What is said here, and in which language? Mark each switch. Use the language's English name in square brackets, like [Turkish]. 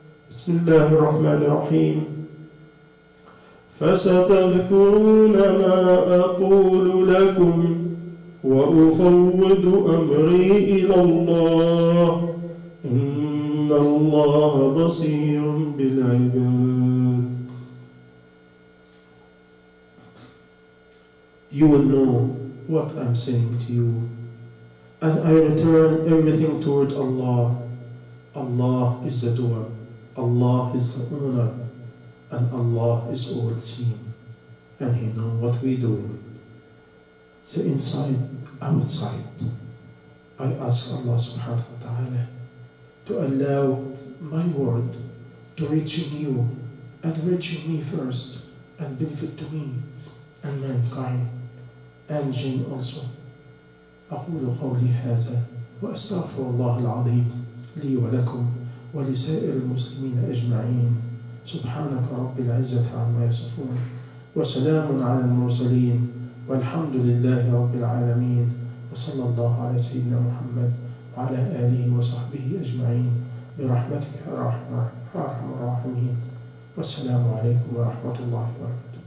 [Arabic] بسم الله الرحمن الرحيم. فستذكرون ما أقول لكم وأفوض أمري إلى الله إن الله بصير بالعباد. [English] You will know what I'm saying to you. And I return everything toward Allah. Allah is the doer. Allah is the owner. And Allah is overseeing, and He knows what we do. The inside, outside. I ask Allah subhanahu wa ta'ala to allow my word to reach in you and reach in me first and benefit to me and mankind and jinn also. [Arabic] أقول قولي هذا وأستغفر الله العظيم لي ولكم ولسائر المسلمين أجمعين. سبحانك رب العزة عما يصفون وسلام على المرسلين والحمد لله رب العالمين وصلى الله على سيدنا محمد وعلى آله وصحبه أجمعين برحمتك أرحم الراحمين والسلام عليكم ورحمة الله وبركاته.